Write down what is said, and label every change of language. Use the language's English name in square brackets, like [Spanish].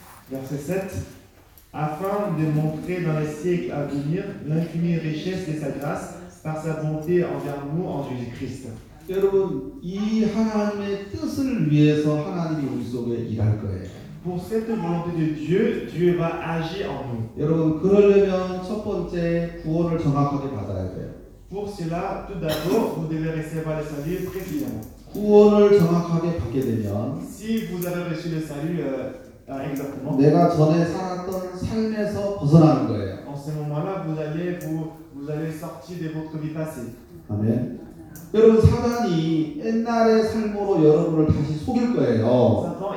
[French] Verset 7 afin de montrer dans les siècles à venir l'infinie richesse de sa grâce par sa bonté envers nous en Jésus-Christ. [Korean] 여러분 이 하나님의 뜻을 위해서 하나님이 우리 속에 일할 거예요. [French] Pour cette volonté de Dieu, Dieu va agir en nous. [Korean] 여러분 그러려면 첫 번째 구원을 정확하게 받아야 돼요. [French] Pour cela, tout d'abord, vous devez recevoir le salut précisément. [Korean] 구원을 정확하게 받게 되면 [French] si vous avez reçu le salut exactement [Korean] 내가 전에 살았던 삶에서 벗어나는 거예요. [French] En ce moment-là, vous allez sortir de votre vie passée. [Korean] 아멘. 여러분 사단이 옛날의 삶으로 여러분을 다시 속일 거예요.